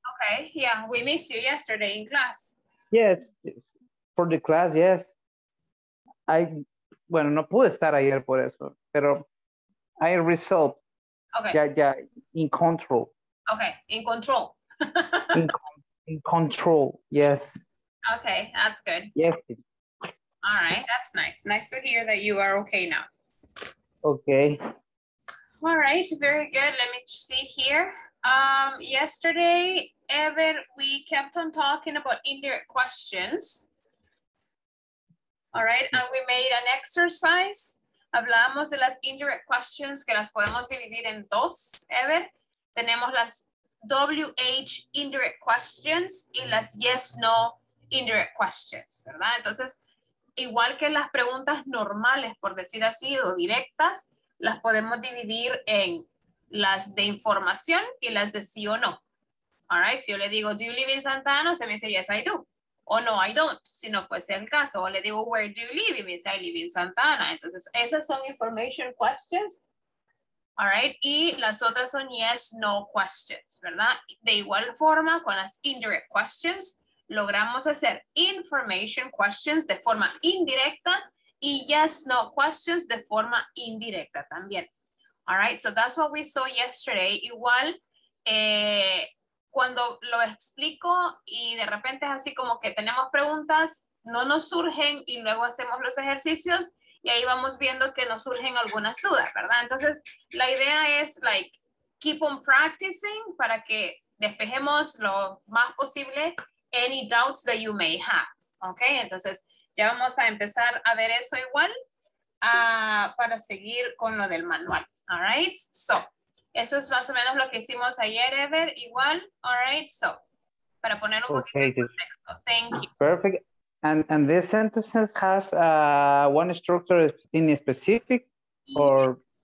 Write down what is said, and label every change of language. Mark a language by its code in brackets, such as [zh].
[en] Okay, yeah, we missed you yesterday in class. Yes, for the class, yes. [es] Bueno, no pude estar ayer por eso, pero [en] I resolved. Okay. Ya, in control. Okay, in control. in control, yes. Okay, that's good. Yes. All right, that's nice. Nice to hear that you are okay now. Okay. All right, very good. Let me see here. Yesterday, Evan, we kept on talking about indirect questions. All right, and we made an exercise. [es] Hablamos de las [en] indirect questions [es] que las podemos dividir en dos, Evan. Tenemos las [en] WH indirect questions [es] y las [en] yes, no indirect questions, [es] ¿verdad? Entonces, igual que las preguntas normales, por decir así, o directas, las podemos dividir en las de información y las de sí o no. [en] All right, [es] si yo le digo, [en] do you live in Santa Ana? [es] Se me dice, [en] yes, I do. O no, I don't, [es] si no fuese el caso. O le digo, [en] where do you live? [es] Y me dice, [en] I live in Santa Ana. [es] Entonces, esas son [en] information questions. All right, [es] y las otras son [en] yes, no questions, [es] ¿verdad? De igual forma, con las indirect questions, logramos hacer [en] information questions [es] de forma indirecta y [en] yes, no questions [es] de forma indirecta también. [en] All right, so that's what we saw yesterday. [es] Igual, cuando lo explico y de repente es así como que tenemos preguntas, no nos surgen y luego hacemos los ejercicios y ahí vamos viendo que nos surgen algunas dudas, ¿verdad? Entonces, la idea es, [en] like, keep on practicing [es] para que despejemos lo más posible [en] any doubts that you may have, [es] ¿ok? Entonces, ya vamos a empezar a ver eso igual para seguir con lo del manual, [en] all right? [es] So, eso es más o menos lo que hicimos ayer, Ever, igual, [en] all right? [es] So, para poner un poquito de contexto, [en] thank you. Perfect, and this sentence has one structure in specific, or?